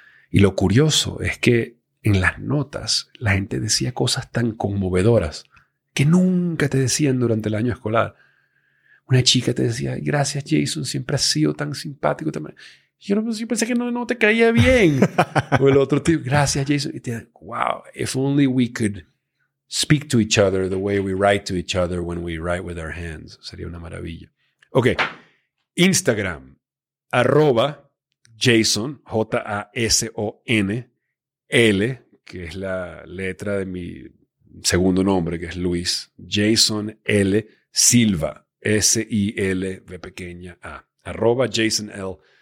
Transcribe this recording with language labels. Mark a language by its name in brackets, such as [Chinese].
[Spanish] Y lo curioso es que en las notas la gente decía cosas tan conmovedoras que nunca te decían durante el año escolar. Una chica te decía, gracias Jason, siempre has sido tan simpático. Yo pensé que no te caía bien. O el otro tipo, gracias Jason. Y te dice, [English] wow, if only we could speak to each other the way we write to each other when we write with our hands. [Spanish] Sería una maravilla. Ok, Instagram, @ Jason, JASONL, que es la letra de mi segundo nombre, que es Luis, Jason L. Silva, SILVA, @ Jason L.